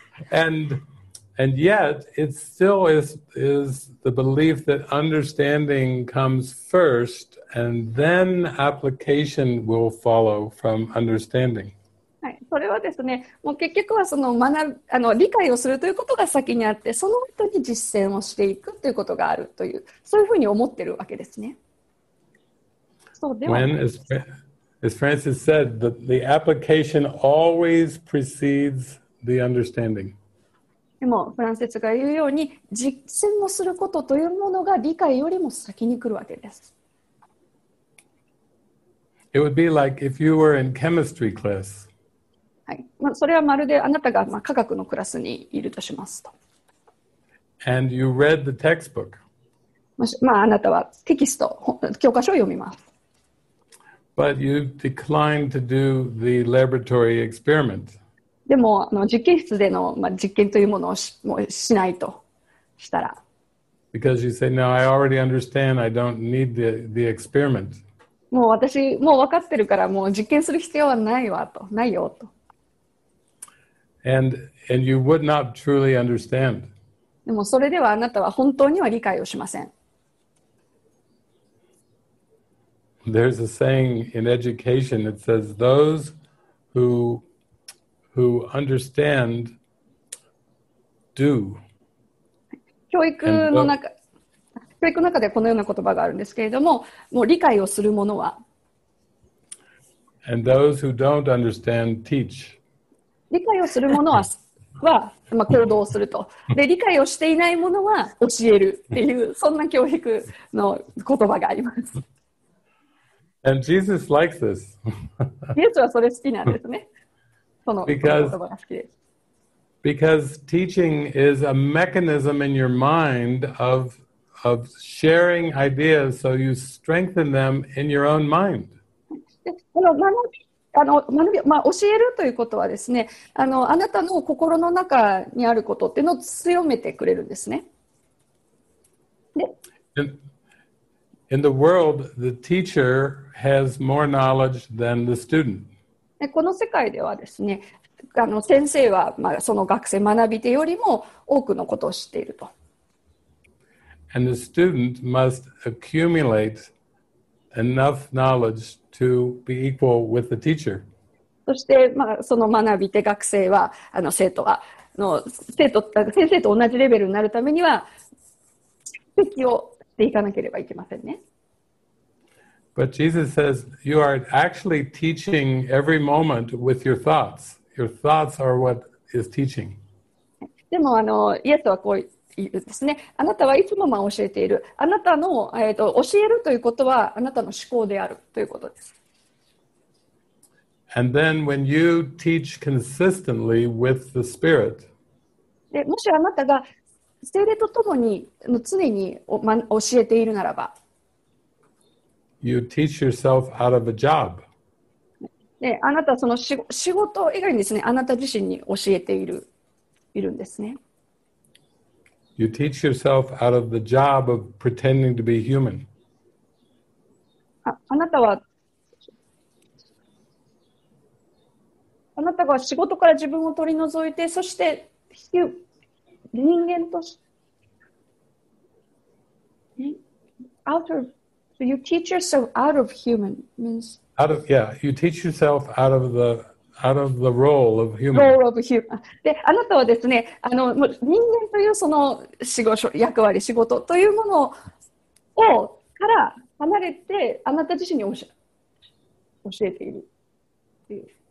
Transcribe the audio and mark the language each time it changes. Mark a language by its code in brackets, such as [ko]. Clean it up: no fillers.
[en] and yet, it still is the belief that understanding comes first and then application will follow from understanding. [ja] はい、それはですね、もう結局はその理解をするということが先にあって、その後に実践をしていくということがあるという、そういうふうに思ってるわけですね。そうでは。 [en] When, as Francis said, the application always precedes the understanding. [ja] でも、フランシスが言うように、実践をすることというものが理解よりも先に来るわけです。 [en] It would be like if you were in chemistry class. [ja] はい、まあ、それはまるであなたがまあ科学のクラスにいるとしますと。 [en] And you read the textbook. [ja] まあ、あなたはテキスト、教科書を読みます。 [en] But you declined to do the laboratory experiment. [ja] でも、実験室での、まあ、実験というものをしないとしたら。 [en] Because you say, now I already understand, I don't need the experiment. [ja] もう私、もう分かってるから、もう実験する必要はないわと、ないよと。 [en] And you would not truly understand. [ja] でもそれではあなたは本当には理解をしません。 [en] There's a saying in education that says those who understand do. [ja] 教育の中でこのような言葉があるんですけれども、もう理解をする者は。 [en] And those who don't understand teach. [ja] 理解をするものは、まあ、行動をすると。で、理解をしていないものは教えるっていう、そんな教育の言葉があります。 [en] And Jesus likes this. [ja] イエスはそれ好きなんですね。その [en] because, [ja] 言葉が好きです。 [en] Because teaching is a mechanism in your mind of sharing ideas so you strengthen them in your own mind. [ja] この学び学びまあ、教えるということはですね、あなたの心の中にあることっていうのを強めてくれるんですね。で、 [en] In the world, the teacher has more knowledge than the student. [ja] で、この世界ではですね、先生はまあその学生学び手よりも多くのことを知っていると。 [en] And the student must accumulate enough knowledge to be equal with the teacher. [ja] そして、まあ、その学び手学生は、生徒は、先生と同じレベルになるためには、蓄積をしていかなければいけませんね。 [en] But Jesus says, you are actually teaching every moment with your thoughts. Your thoughts are what is teaching. [ja] でも、イエスはこう、ですね、あなたはいつもまあ教えているあなたの、教えるということはあなたの思考であるということです。 [en] And then when you teach consistently with the Spirit, [ja] でもしあなたが聖霊とともに常に教えているならば [en] you teach yourself out of a job. [ja] であなたはその仕事以外にですねあなた自身に教えているんですね。 [en] You teach yourself out of the job of pretending to be human. [ja] あなたは仕事から自分を取り除いて、そして人間として [en] You teach yourself out of human means. Out of, yeah, you teach yourself out of the role of human. Role of human. [ja] で、あなたはですね、人間というその役割、仕事というものをから離れて、あなた自身に教えているっていう。